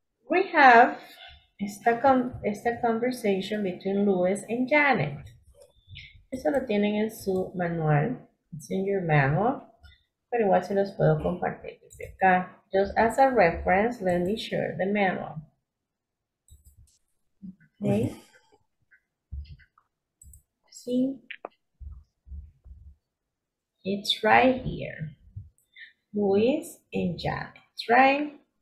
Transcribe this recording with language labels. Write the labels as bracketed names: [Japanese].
[English] We have esta conversation between Luis and Janet. [Spanish] Eso lo tienen en su manual. [English] It's in your manual. [Spanish] Pero igual se los puedo compartir desde acá. [English] Just as a reference, let me share the manual. Okay. See? It's right here. Luis and Janet, right?